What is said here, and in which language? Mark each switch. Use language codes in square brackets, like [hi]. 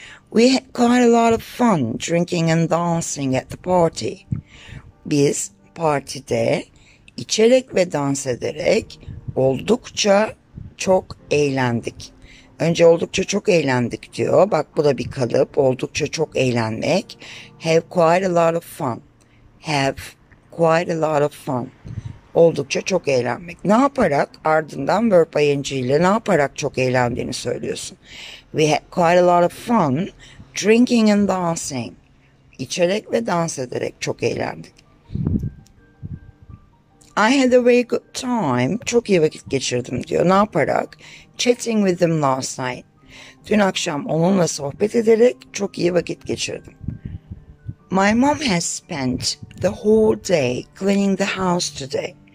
[en] We had quite a lot of fun drinking and dancing at the party. [tr] Biz partide içerek ve dans ederek oldukça çok eğlendik. Önce oldukça çok eğlendik diyor. Bak bu da bir kalıp. Oldukça çok eğlenmek. [en] Have quite a lot of fun. Have quite a lot of fun. [tr] Oldukça çok eğlenmek. Ne yaparak ardından verb ing ile ne yaparak çok eğlendiğini söylüyorsun. [en] We had quite a lot of fun drinking and dancing. [tr] İçerek ve dans ederek çok eğlendik. [en] I had a very good time. [tr] Çok iyi vakit geçirdim diyor. Ne yaparak? [en] Chatting with them last night. [tr] Dün akşam onunla sohbet ederek çok iyi vakit geçirdim. [en] My mom has spent the whole day cleaning the house today.